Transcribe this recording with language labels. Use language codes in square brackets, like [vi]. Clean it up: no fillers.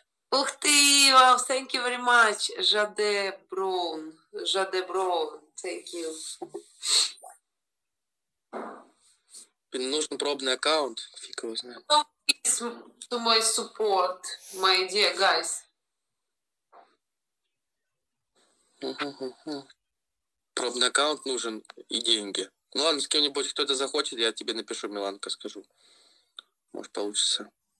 [ru] Ух ты, [en] wow, thank you very much, Жаде Браун. Жаде Браун, thank you. [ru] Мне нужен пробный аккаунт, фиг его знает. [en] Oh, please, to my support, my dear guys. [ru] Пробный аккаунт нужен и деньги. Ну ладно, с кем-нибудь кто-то захочет, я тебе напишу, Миланка, скажу. Может, получится.